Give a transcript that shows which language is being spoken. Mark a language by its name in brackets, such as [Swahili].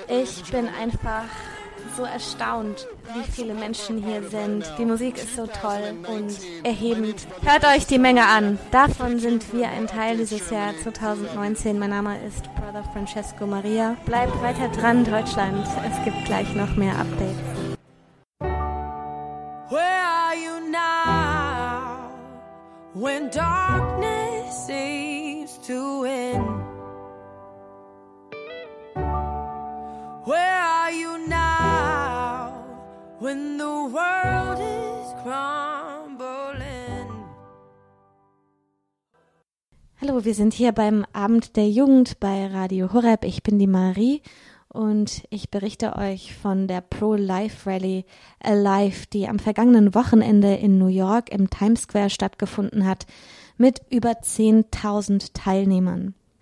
[German] Ich bin einfach so erstaunt, wie viele Menschen hier sind. Die Musik ist so toll und erhebend. Hört euch die Menge an. Davon sind wir ein Teil dieses Jahr 2019. Mein Name ist Brother Francesco Maria. Bleibt weiter dran, Deutschland. Es gibt gleich noch mehr Updates. [English] Where are you now, when darkness seems to win? Where are you now when the world is crumbling? [German] Hallo, wir sind hier beim Abend der Jugend bei Radio Horeb. Ich bin die Marie und ich berichte euch von der Pro-Life Rally Alive, die am vergangenen Wochenende in New York im Times Square stattgefunden hat, mit über 10.000 Teilnehmern.